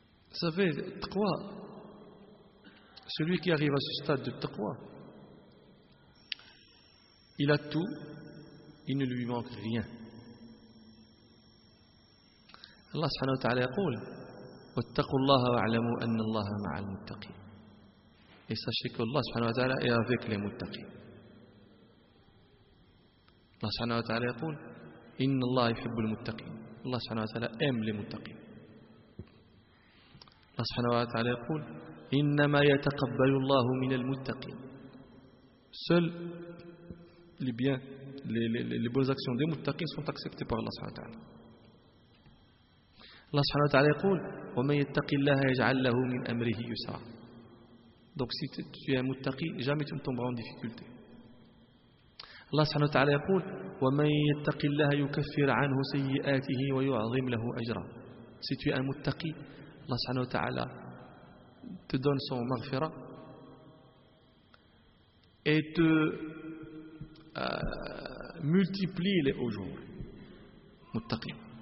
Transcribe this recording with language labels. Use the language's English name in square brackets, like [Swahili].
[French] Vous savez, taqwa, celui qui arrive à ce stade de taqwa, Il a tout, il ne lui manque rien. [Arabic] Allah subhanahu wa ta'ala يقول واتقوا الله واعلموا ان الله مع المتقين. [French] Et sachez que Allah subhanahu wa ta'ala est avec les muttaqin. [Arabic] Allah subhanahu wa ta'ala يقول ان الله يحب المتقين. [French] Allah subhanahu wa ta'ala aime les muttaqin. [Arabic] Allah subhanahu wa ta'ala يقول انما يتقبل الله من المتقين. [French] Seul les biens, les bonnes actions des muttaqin sont acceptées par Allah subhanahu wa ta'ala. [Arabic] Allah subhanahu wa ta'ala يقول ومن يتق الله يجعل له من امره يسرا. [French] Donc si tu es un muttaqi, jamais tu ne tomberas en difficulté. [Arabic] Allah subhanahu wa ta'ala يقول ومن يتق الله يكفر عنه سيئاته ويعظم له اجرا. [French] Si tu es un muttaqi, Allah subhanahu wa ta'ala te donne son maghfira et te multiplie les hauts jours. Muttaqi.